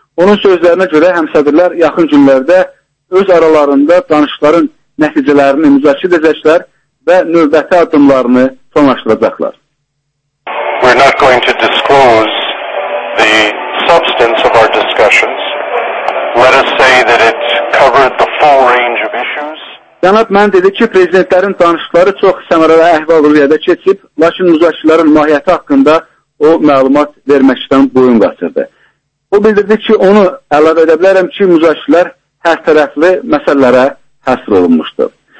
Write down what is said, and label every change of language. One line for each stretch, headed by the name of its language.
Azerbaijani: Onun sözlərinə görə həmsədirlər yaxın günlərdə öz aralarında danışıqların nəticələrini müzakirə edəcəklər və növbəti addımlarını sonlaşdıracaqlar.
English: We're not going to disclose the substance of our discussions. Let us say that it covered the full range of issues.
Azerbaijani: Cənab Mən dedi ki, prezidentlərin danışıqları çox səmərəli əhval-ruhiyyədə keçib, lakin müzakirələrin mahiyyəti haqqında o məlumat verməkdən boyun qaçırdı. O bildirdi ki, onu əlavə edə bilərəm ki, müzakirələr hər tərəfli məsələlərə həsr olunmuşdur.